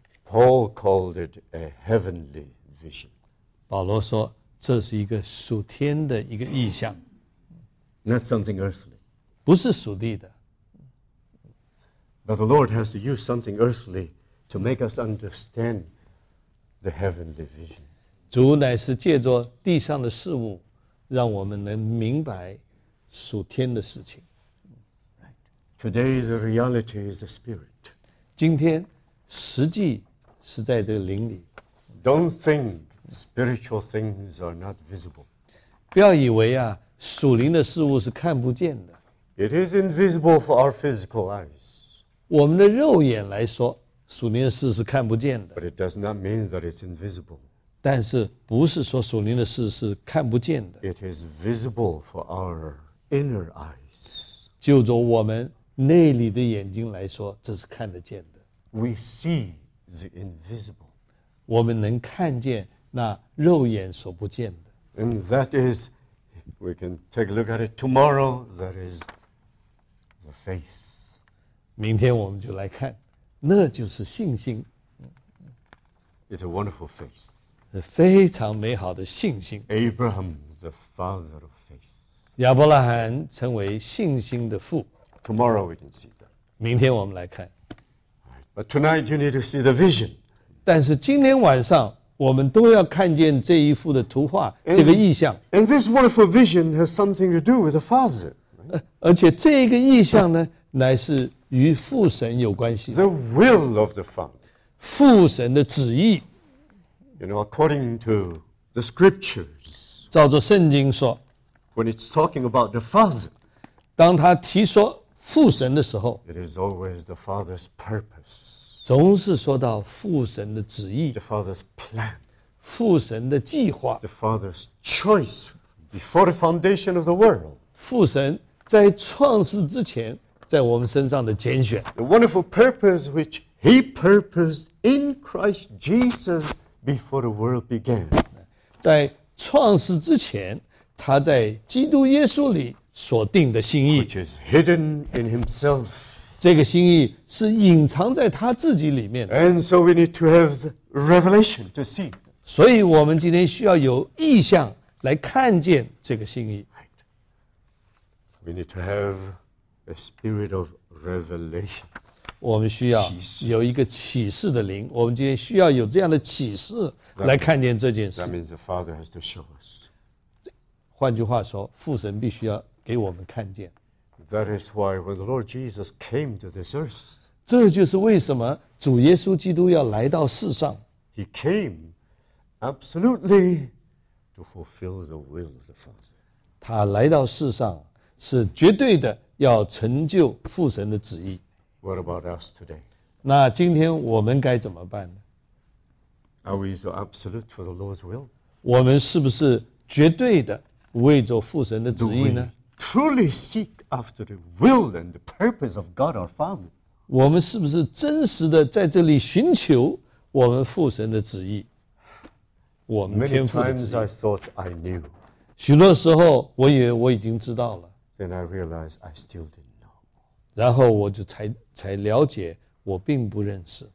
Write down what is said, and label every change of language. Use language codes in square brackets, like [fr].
[en] Paul called it a heavenly vision. [zh] 保罗说这是一个属天的一个意象。 [en] Not something earthly. [zh] 不是属地的。 [en] But the Lord has to use something earthly to make us understand the heavenly vision. [zh] 主乃是借着地上的事物让我们能明白属天的事情。 [en] Today's reality is the spirit. [zh] 今天实际是在这个灵里。 [en] Don't think spiritual things are not visible. [zh] 不要以为啊，属灵的事物是看不见的。 [en] It is invisible for our physical eyes. [zh] 我们的肉眼来说，属灵的事是看不见的。 [en] But it does not mean that it's invisible. [zh] 但是不是说属灵的事是看不见的。 [en] It is visible for our inner eyes. [zh] 就着我们内里的眼睛来说，这是看得见的。 [en] We see the invisible. [zh] 我们能看见那肉眼所不见的。 [en] And that is, we can take a look at it tomorrow, that is the faith. [zh] 明天我们就来看，那就是信心。 [en] It's a wonderful faith. [zh] 非常美好的信心。 [en] Abraham, the father of faith. [zh] 亚伯拉罕成为信心的父。 [en] Tomorrow we can see that. [zh] 明天我们来看。 [en] But tonight you need to see the vision. [zh] 但是今天晚上我们都要看见这一幅的图画，这个意象。 [en] And this wonderful vision has something to do with the Father. [zh] 而且这个意象呢，乃是与父神有关系。 [en] The will of the Father. [zh] 父神的旨意。 [en] You know, according to the scriptures. [zh] 照着圣经说。 [en] When it's talking about the Father. [zh] 当他提说父神的时候。 [en] It is always the Father's purpose. [zh] 总是说到父神的旨意 [en] ，the Father's plan， [zh] 父神的计划 [en] ，the Father's choice before the foundation of the world， [zh] 父神在创世之前在我们身上的拣选 [en] ，the wonderful purpose which He purposed in Christ Jesus before the world began， [zh] 在创世之前，他在基督耶稣里所定的心意 [en] ，which is hidden in Himself。 [zh] 这个心意是隐藏在他自己里面的。 [en] And so we need to have the revelation to see. [zh] 所以我们今天需要有意象来看见这个心意。 [en] Right. We need to have a spirit of revelation. [zh] 我们需要有一个启示的灵。我们今天需要有这样的启示来看见这件事。 [en] That means the Father has to show us. [zh] 换句话说，父神必须要给我们看见。 [en] That is why when the Lord Jesus came to this earth, [zh] 这就是为什么主耶稣基督要来到世上。 [en] He came absolutely to fulfill the will of the Father. [zh] 他来到世上是绝对的要成就父神的旨意。 [en] What about us today? [zh] 那今天我们该怎么办呢？ [en] Are we so absolute for the Lord's will? [zh] 我们是不是绝对的为着父神的旨意呢？ [en] Truly seek. After the will and the purpose of God our Father, [zh] 我们是不是真实的在这里寻求我们父神的旨意，我们天父的旨意 [en] ？Many times I thought I knew. [zh] 许多时候，我以为我已经知道了。 [en] Then I realized I still didn't know. [zh] 然后我就才了解我并不认识。